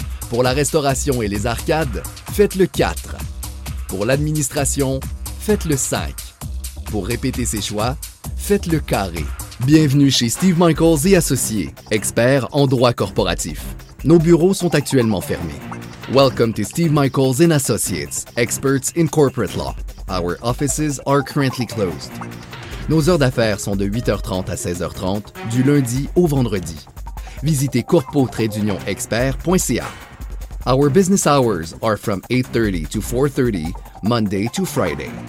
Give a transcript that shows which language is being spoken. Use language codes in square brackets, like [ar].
[fr] Pour la restauration et les arcades, faites-le 4. Pour l'administration, faites-le 5. Pour répéter ses choix, faites-le carré. Bienvenue chez Steve Michaels et Associés, experts en droit corporatif. Nos bureaux sont actuellement fermés. [en] Welcome to Steve Michaels & Associates, experts in corporate law. Our offices are currently closed. [fr] Nos heures d'affaires sont de 8h30 à 16h30, du lundi au vendredi. Visitez corpo-expert.ca. [en] Our business hours are from 8:30 to 4:30, Monday to Friday.